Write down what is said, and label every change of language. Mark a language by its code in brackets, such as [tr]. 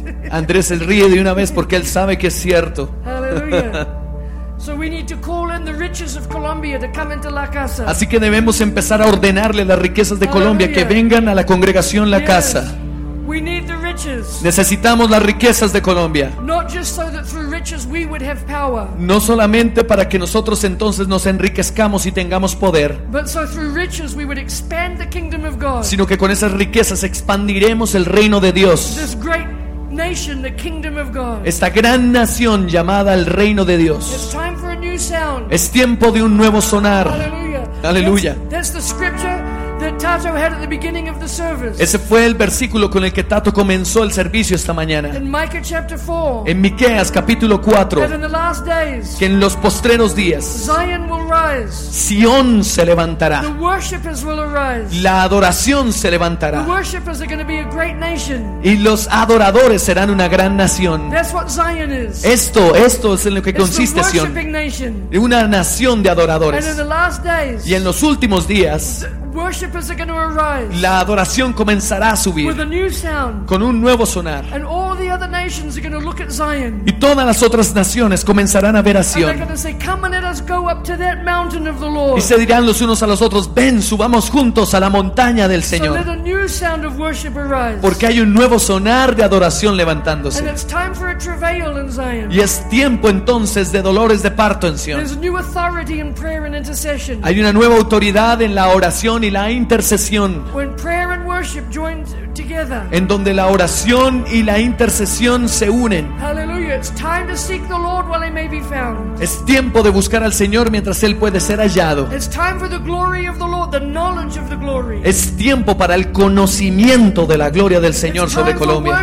[es] Andrés se ríe de una vez porque él sabe que es cierto. [en] So we need to call in the riches of Colombia to come into La Casa. [es] Así que debemos empezar a ordenarle las riquezas de Colombia que vengan a la congregación La Casa. [en] We need the riches. [es] Necesitamos las riquezas de Colombia. [en] Not just so that through riches we would have power. [es] No solamente para que nosotros entonces nos enriquezcamos y tengamos poder. [en] But so through riches we would expand the kingdom of God. [es] Sino que con esas riquezas expandiremos el reino de Dios. [en] This great nation, the kingdom of God. [es] Esta gran nación llamada el reino de Dios. [en] It's time for a new sound. [es] Es tiempo de un nuevo sonar. [en] Hallelujah. [es] Aleluya. [en] That's the scripture. Tato had at the beginning of the service. [es] Ese fue el versículo con el que Tato comenzó el servicio esta mañana. [en] In Micah chapter 4. [es] En Miqueas capítulo 4. [en] That in the last days. [es] Que en los postreros días. [en] Zion will rise. [es] Sion se levantará. [en] The worshippers will arise. [es] La adoración se levantará. [en] The worshippers are going to be a great nation. [es] Y los adoradores serán una gran nación. [en] That's what Zion is. [es] Esto es en lo que consiste Sion. [en] It's a worshiping nation. [es] De una nación de adoradores. [en] And in the last days. [es] Y en los últimos días. [en] Worshippers are going to arise. [es] La adoración comenzará a subir. [en] With a new sound. [es] Con un nuevo sonar. [en] And all the other nations are going to look at Zion. [es] Y todas las otras naciones comenzarán a ver a Sion. [en] And they're going to say, "Come and let us go up to that mountain of the Lord." [es] Y se dirán los unos a los otros, "Ven, subamos juntos a la montaña del Señor." [en] So let a new sound of worship arise. [es] Porque hay un nuevo sonar de adoración levantándose. [en] And it's time for a travail in Zion. [es] Y es tiempo entonces de dolores de parto en Sion. [en] There's a new authority in prayer and intercession. [es] Hay una nueva autoridad en la oración y la intercesión. [en] When prayer and worship joined together. [es] En donde la oración y la intercesión se unen. [en] Hallelujah. It's time to seek the Lord while he may be found. [es] Es tiempo de buscar al Señor mientras él puede ser hallado. [en] It's time for the glory of the Lord, the knowledge of the glory. [es] Es tiempo para el conocimiento de la gloria del Señor sobre Colombia.